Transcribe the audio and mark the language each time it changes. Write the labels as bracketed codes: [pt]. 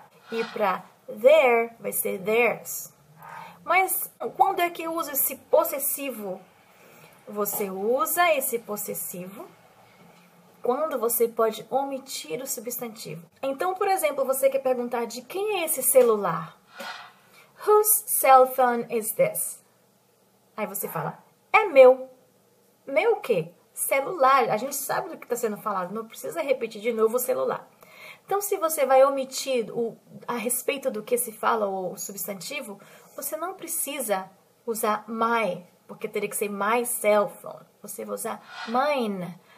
[pt] E para their vai ser theirs. Mas quando é que eu uso esse possessivo? Você usa esse possessivo quando você pode omitir o substantivo. Então, por exemplo, você quer perguntar de quem é esse celular? [en] Whose cell phone is this? [pt] Aí você fala, é meu. Meu o quê? Celular, a gente sabe do que está sendo falado, não precisa repetir de novo o celular. Então, se você vai omitir a respeito do que se fala ou substantivo, você não precisa usar my, porque teria que ser [en] my cell phone. [pt] Você vai usar mine,